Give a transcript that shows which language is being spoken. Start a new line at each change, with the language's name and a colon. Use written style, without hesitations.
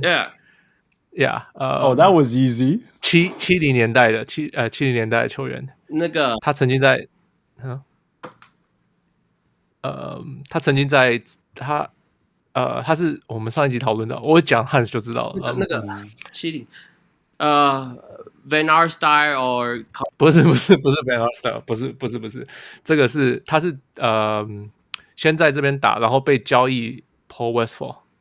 English: ，Yeah。 Yeah, oh, that was easy.
Chinese: 七零年代的球员，那个他曾经在，他曾经在他，他是我们上一集讨论的，我讲 Hans 就知道了。那个七零，Van Arsdale or 不是 Van Arsdale， 不是，这个是他是先在这边打，然后被交易 Paul Westphal，